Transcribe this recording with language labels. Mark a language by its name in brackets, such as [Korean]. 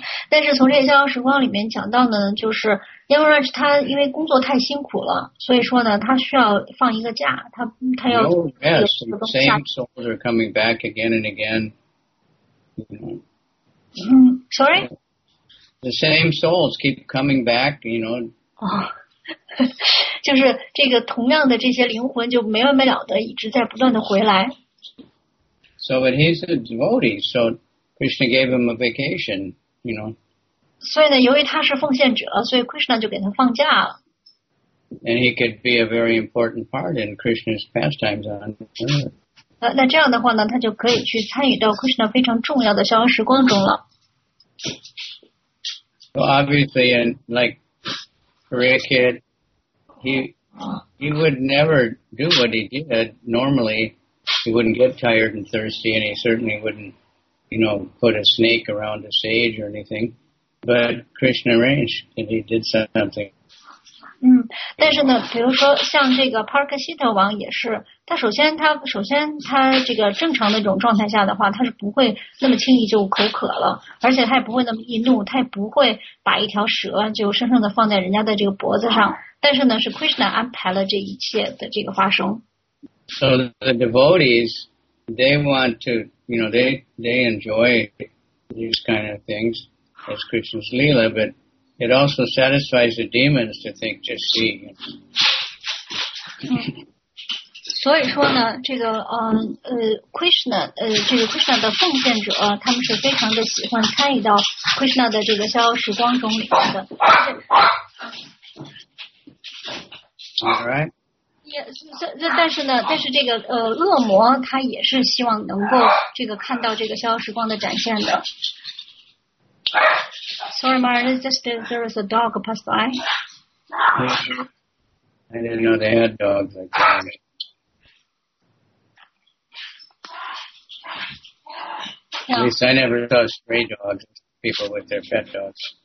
[Chinese] 但是从这些逍遥时光里面讲到呢，就是 Yamaraj 他因为工作太辛苦了，所以说呢他需要放一个假，他要。 [English] No rest. Same souls are coming back again and again. Sorry? The same souls keep coming back, you know. [Chinese] 就是这个同样的这些灵魂就没完没了的一直在不断的回来。 [English] So, but he's a devotee, so Krishna gave him a vacation, you know. [Chinese] 所以呢，由于他是奉献者，所以 Krishna 就给他放假了。 [English] And he could be a very important part in Krishna's pastimes on earth. [Chinese] 那这样的话呢，他就可以去参与到 Krishna 非常重要的逍遥时光中了。 [English] So obviously, and like for a kid, he would never do what he did normally. He wouldn't get tired and thirsty, and he certainly wouldn't, you know, put a snake around a sage or anything. But Krishna arranged, and he did something. [Chinese] 但是呢，比如说像这个 Parikshit 王也是，他首先这个正常的这种状态下的话，他是不会那么轻易就口渴了，而且他也不会那么易怒，他也不会把一条蛇就生生的放在人家的这个脖子上。但是呢，是 Krishna 安排了这一切的这个发生。 [English] So the devotees, they want to, you know, they enjoy these kind of things as Krishna's Leela, but it also satisfies the demons to think just seeing it. [Chinese] 所以说呢，这个Krishna 这个 Krishna 的奉献者，他们是非常的喜欢参与到 Krishna 的这个逍遥时光中里面的。 [English] All right. [Chinese] 但是这个恶魔他也是希望能够这个看到这个逍遥时光的展现的。 [English] Sorry, Maharaj, it's just that there is a dog passed by. I didn't know they had dogs like that. At least I never saw stray dogs, people with their pet dogs.